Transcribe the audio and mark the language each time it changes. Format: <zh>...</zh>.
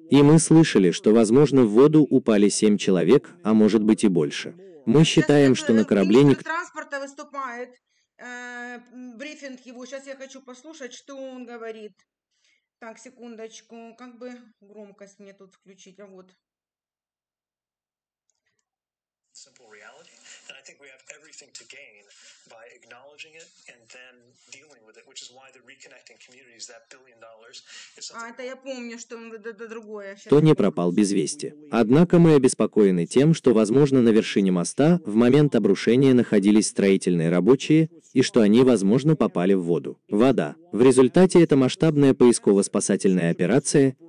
<ru>И мы слышали, что, возможно, в воду упали 7 человек, а может быть и больше. Мы считаем, что на корабле министр транспорта выступает, брифинг его. Сейчас я хочу послушать, что он говорит. Так, секундочку, как бы громкость мне тут включить, а вот.</ru> <en>I think we have everything to gain by acknowledging it and then dealing with it, which is why the reconnecting communities, that $1 billion, is something...</en> <ru>А, это я помню, что он это другое. То не пропал без вести. Однако мы обеспокоены тем, что, возможно, на вершине моста в момент обрушения находились строительные рабочие, и что они, возможно, попали в воду. Вода. В результате это масштабная поисково-спасательная операция,</ru>